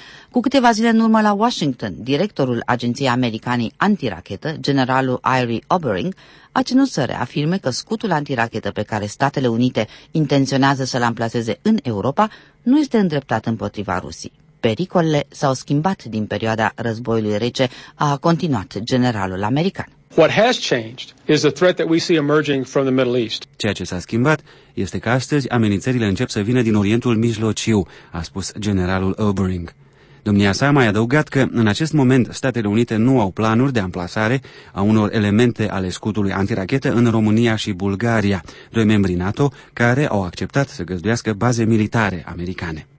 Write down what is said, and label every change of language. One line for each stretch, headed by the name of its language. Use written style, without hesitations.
Romanian: Cu câteva zile în urmă la Washington, directorul Agenției Americane Antirachetă, generalul Irie Oberring, a ținut să reafirme că scutul antirachetă pe care Statele Unite intenționează să-l amplaseze în Europa nu este îndreptat împotriva Rusiei. Pericolele s-au schimbat din perioada războiului rece, a continuat generalul american.
English: What has changed is the threat that we see emerging from the Middle East.
Romanian: Ceea ce s-a schimbat este că astăzi amenințările încep să vină din Orientul Mijlociu, a spus generalul Oberring. Domnia sa a mai adăugat că, în acest moment, Statele Unite nu au planuri de amplasare a unor elemente ale scutului antirachetă în România și Bulgaria, doi membri NATO care au acceptat să găzduiască baze militare americane.